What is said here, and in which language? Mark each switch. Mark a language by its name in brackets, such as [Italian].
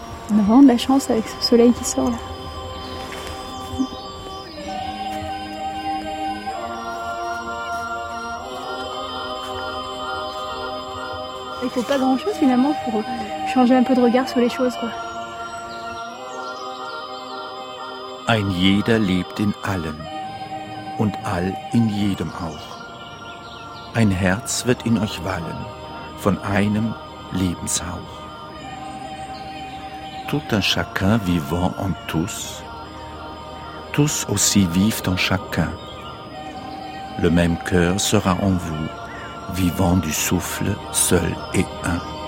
[French] On a vraiment de la chance avec ce soleil qui sort là. Il faut pas grand chose finalement pour changer un peu de regard sur les choses, quoi. [German] Ein jeder lebt in allem und all in jedem auch. Ein Herz wird in euch wallen von einem Lebenshauch. [French] Tout un chacun vivant en tous, tous aussi vivent en chacun. Le même cœur sera en vous. Vivant du souffle seul et un.